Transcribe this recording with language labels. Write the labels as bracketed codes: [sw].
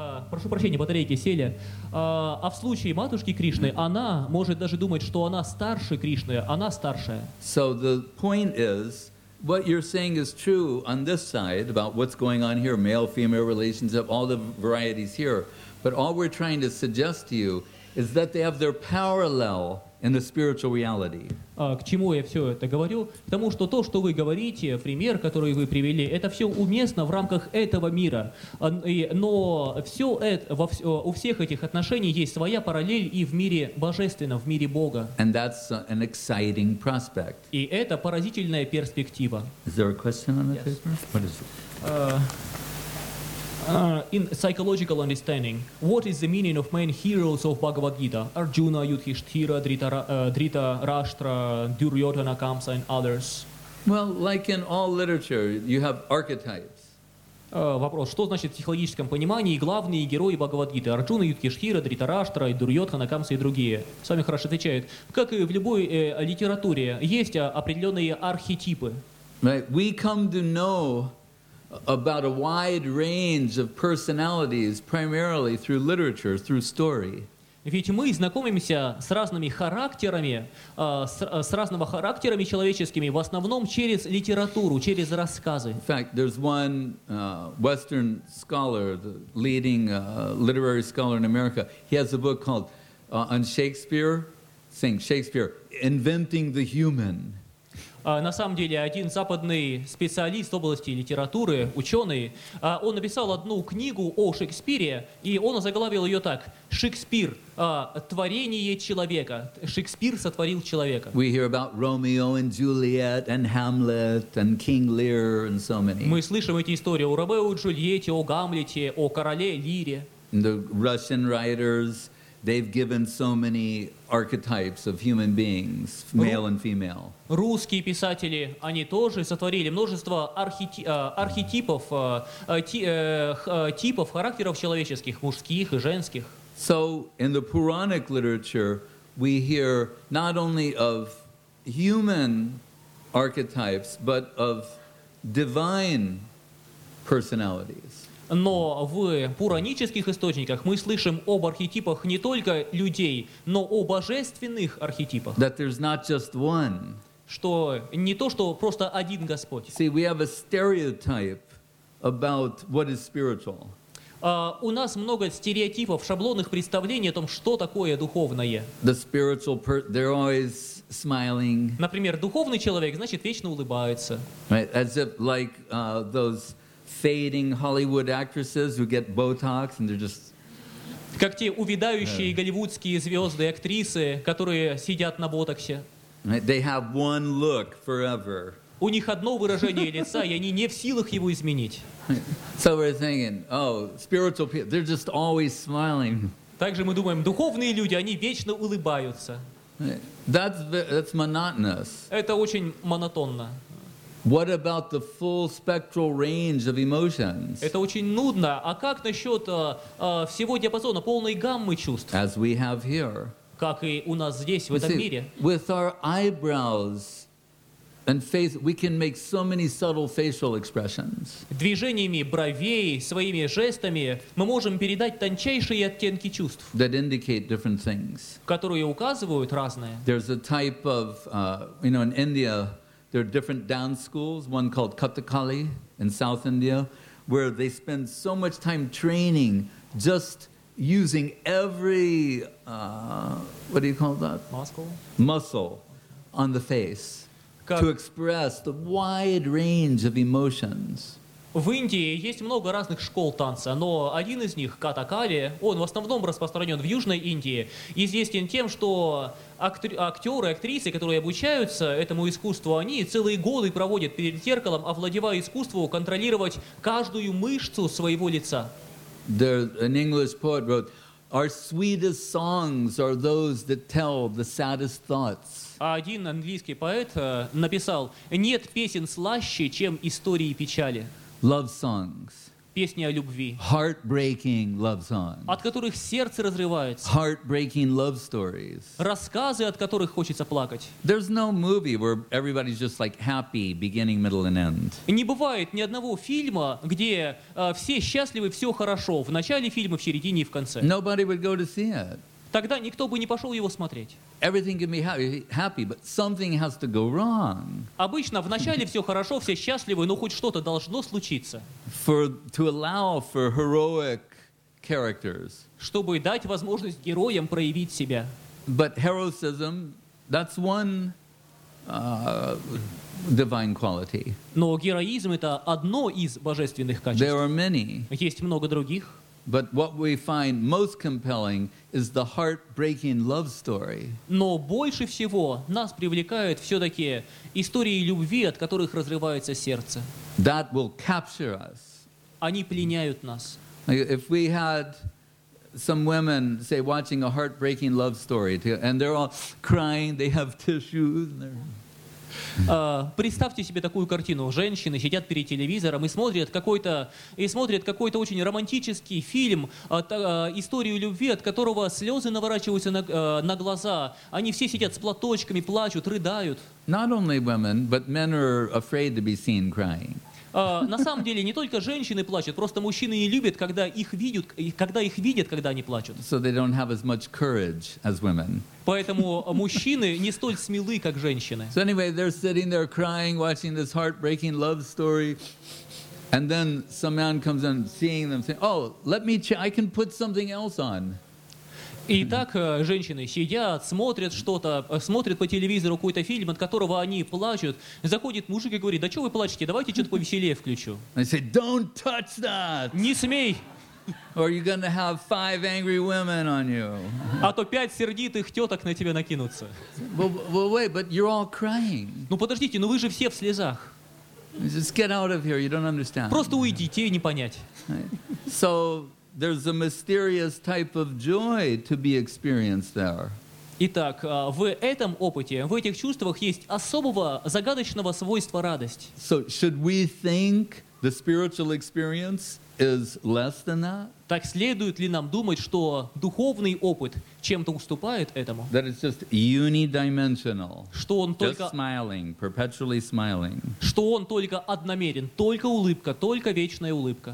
[ru] Прошу прощения, батарейки сели. А в случае матушки Кришны, она может даже думать, что она старше Кришны, она старшая. [en] So the point is, what you're saying is true on this side about what's going on here, male-female relationship, all the varieties here. But all we're trying to suggest to you is that they have their parallel in the spiritual reality. [ru] К чему я все это говорю? Потому что то, что вы говорите, пример, который вы привели, это все уместно в рамках этого мира. Но все это, у всех этих отношений есть своя параллель и в мире божественном, в мире Бога. [en] And that's an exciting prospect. [ru] И это поразительная перспектива. [en] Is there a question on the paper? What is it? In psychological understanding, what is the meaning of main heroes of Bhagavad Gita? Arjuna, Yudhishthira, Dhritarashtra, Duryodhana, Kamsa, and others. Well, like in all literature, you have archetypes. [ru] Вопрос, что значит в психологическом понимании главные герои Бхагавад Гиты? Арджуна, Юдхиштхира, Дритараштра, Дурьотхана, Камса и другие. Сами хорошо отвечают. Как и в любой литературе, есть определенные архетипы. [en] Right. We come to know about a wide range of personalities, primarily through literature, through story. [ru] Ведь мы знакомимся с разными характерами, с разными характерами человеческими, в основном через литературу, через рассказы. [en] In fact, there's one Western scholar, the leading literary scholar in America. He has a book called on Shakespeare, saying Shakespeare, inventing the human. [ru] На самом деле, один западный специалист в области литературы, ученый, он написал одну книгу о Шекспире, и он озаглавил ее так: «Шекспир. Творение человека». Шекспир сотворил человека. [en] We hear about Romeo and Juliet and Hamlet and King Lear and so many. [ru] Мы слышим эти истории о Ромео и Джульетте, о Гамлете, о короле Лире. [en] The Russian writers, they've given so many archetypes of human beings, male and female. [ru] Русские писатели, они тоже сотворили множество архетипов, типов, характеров человеческих, мужских и женских. [en] So in the Puranic literature, we hear not only of human archetypes, but of divine personalities. [ru] Но в пуранических источниках мы слышим об архетипах не только людей, но о божественных архетипах. [en] That there's not just one. [ru] Что не то, что просто один Господь. [en] See, we have a stereotype about what is spiritual. [ru] У нас много стереотипов, шаблонных представлений о том, что такое духовное. [en] The spiritual they're always smiling. [ru] Например, духовный человек, значит, вечно улыбается. [en] Right, as if like those fading Hollywood actresses who get Botox and they're just... [ru] Как те увядающие голливудские звезды, актрисы, которые сидят на Ботоксе. [en] They have one look forever. [ru] У них одно выражение лица, и они не в силах его изменить. [en] So we're thinking, oh, spiritual people, they're just always smiling. [ru] Также мы думаем, духовные люди, они вечно улыбаются. [en] That's monotonous. [ru] Это очень монотонно. [en] What about the full spectral range of emotions? [ru] Это очень нудно. А как насчет всего диапазона, полной гаммы чувств? [en] As we have here. [ru] Как и у нас здесь, в [en] you [ru] этом [en] see, [ru] мире. [en] With our eyebrows and face, we can make so many subtle facial expressions. [ru] Движениями бровей, своими жестами, мы можем передать тончайшие оттенки чувств. [en] That indicate different things. [ru] Которые указывают разное. [en] There's a type of, you know, in India, there are different dance schools, one called Kathakali in South India, where they spend so much time training just using every, what do you call that? Muscle on the face to express the wide range of emotions. [ru] В Индии есть много разных школ танца, но один из них, Катакали, он в основном распространен в Южной Индии, известен тем, что актеры, актрисы, которые обучаются этому искусству, они целые годы проводят перед зеркалом, овладевая искусством контролировать каждую мышцу своего лица. [en] There, an English poet wrote, Our sweetest songs are those that tell the saddest thoughts. [ru] А один английский поэт написал: «Нет песен слаще, чем истории печали». [en] Love songs. [ru] Песни о любви. [en] Heartbreaking love songs. [ru] От которых сердце разрывается. [en] Heartbreaking love stories. [ru] Рассказы, от которых хочется плакать. [en] There's no movie where everybody's just like happy beginning, middle and end. [ru] Не бывает ни одного фильма, где все счастливы, все хорошо, в начале фильма, в середине и в конце. [en] Nobody would go to see it. [ru] Тогда никто бы не пошел его смотреть. [en] Everything can be happy, but something has to go wrong. [ru] Обычно в начале все хорошо, все счастливы, но хоть что-то должно случиться. [en] To allow for heroic characters. [ru] Чтобы дать возможность героям проявить себя. [en] But heroism, that's one divine quality. [ru] Но героизм — это одно из божественных качеств. [en] There are many. [ru] Есть много других. [en] But what we find most compelling is the heartbreaking love story. [ru] Но больше всего нас привлекают все-таки истории любви, от которых разрывается сердце. [en] That will capture us. [ru] Они пленяют нас. [en] If we had some women, say, watching a heartbreaking love story, and they're all crying, they have tissues, and they're... [ru] Представьте себе такую картину. Женщины сидят перед телевизором и смотрят какой-то очень романтический фильм, историю любви, от которого слезы наворачиваются на глаза. Они все сидят с платочками, плачут, рыдают. [en] Not only women, but men are afraid to be seen crying. [ru] На самом деле не только женщины плачут, просто мужчины не любят, когда их видят, когда они плачут. [en] So they don't have as much courage as women. [ru] Поэтому мужчины не столь смелы, как женщины. [en] So anyway, they're sitting there crying, watching this heartbreaking love story, and then some man comes in, seeing them, saying, "Oh, let me, I can put something else on." [ru] Итак, женщины сидят, смотрят что-то, смотрят по телевизору какой-то фильм, от которого они плачут. Заходит мужик и говорит: «Да чего вы плачете? Давайте что-то повеселее включу». [en] I say, "Don't touch that!" [ru] Не смей! [en] Or you're gonna have five angry women on you. [ru] А то пять сердитых теток на тебя накинутся. [en] Well, wait, but you're all crying. [ru] Ну подождите, ну вы же все в слезах. [en] Just get out of here, you don't understand. [ru] Просто уйдите, не понять. [en] Right. So... There's a mysterious type of joy to be experienced there. [ru] Итак, в этом опыте, в этих чувствах есть особого загадочного свойства радость. [en] So should we think the spiritual experience is less than that? [ru] Так следует ли нам думать, что духовный опыт чем-то уступает этому? [en] That it's just unidimensional. [ru] Что он только [en] smiling, perpetually smiling. [ru] Что он только одномерен, только улыбка, только вечная улыбка.